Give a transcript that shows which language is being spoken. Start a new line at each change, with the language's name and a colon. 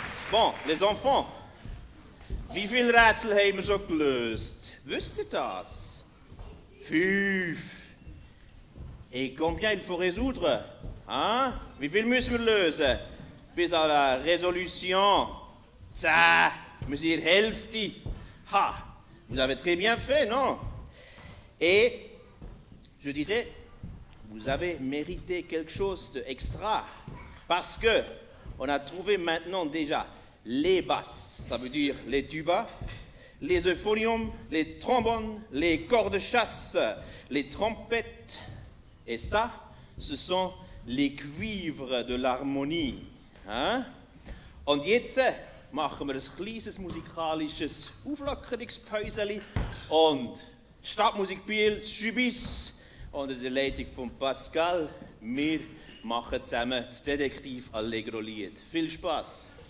German: Bon, les enfants, wie viele Rätsel haben wir schon gelöst? Wisst ihr das? 5.
French: Et combien il faut résoudre? Hein?
German: Wie viel müssen wir lösen? Bis à la résolution? 10. Wir sind Hälfte. Ha!
French: Vous avez très bien fait, non? Et, je dirais, vous avez mérité quelque chose d'extra. Parce que, on a trouvé maintenant déjà les basses, ça veut dire les tubas, les euphoniums, les trombones, les cordes chasse, les trompettes. Et ça, ce sont les cuivres de l'harmonie. Hein?
German: Und jetzt machen wir ein kleines musikalisches Auflockerungspäuseli und Stadtmusik spielt Schubis unter der Leitung von Pascal. Wir machen zusammen das Detektiv Allegro-Lied. Viel Spaß!